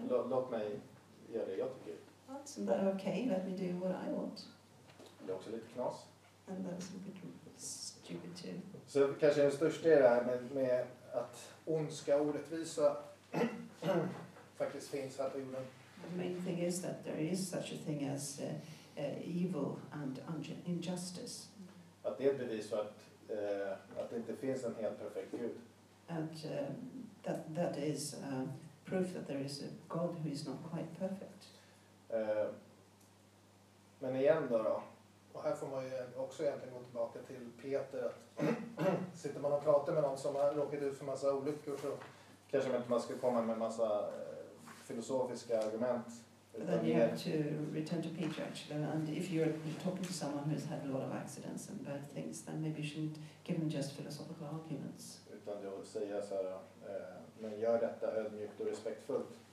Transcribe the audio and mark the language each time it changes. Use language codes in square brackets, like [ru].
[sv] Låt mig göra det jag tycker. [en] Isn't that okay? Let me do what I want. [sv] Det är också lite knas. [en] And that's a bit stupid too. [sv] Så kanske den största är det här med att ondska och orättvisa faktiskt finns här på jorden. [en] The main thing is that there is such a thing as evil and injustice. [sv] Att det är ett bevis för att det inte finns en helt perfekt Gud. [en] And that is proof that there is a God who is not quite perfect. [sv] Men igen då. Och här får man ju också egentligen gå tillbaka till Peter, att sitter man och pratar med någon som har råkat ut för massa olyckor så kanske man inte ska komma med massa filosofiska argument. [en] But then you have to return to Peter actually, and if you're talking to someone who's had a lot of accidents and bad things, then maybe you shouldn't give them just philosophical arguments. [sv] Utan du säger så här, men gör detta ödmjukt och respektfullt.